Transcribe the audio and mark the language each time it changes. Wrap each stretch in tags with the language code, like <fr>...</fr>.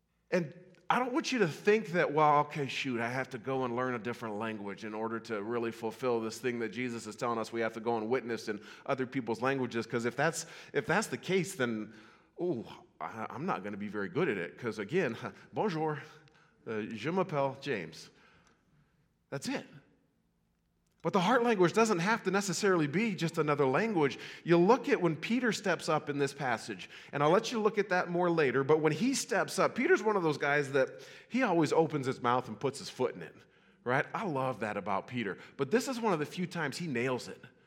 <en>And I don't want you to think that, well, okay, shoot, I have to go and learn a different language in order to really fulfill this thing that Jesus is telling us we have to go and witness in other people's languages. Because if that's the case, then, ooh, I'm not going to be very good at it. Because again,</en> <fr>bonjour, je m'appelle James.</fr> <en>That's it. But the heart language doesn't have to necessarily be just another language. You look at when Peter steps up in this passage, and I'll let you look at that more later, but when he steps up, Peter's one of those guys that he always opens his mouth and puts his foot in it, right? I love that about Peter. But this is one of the few times he nails it.</en>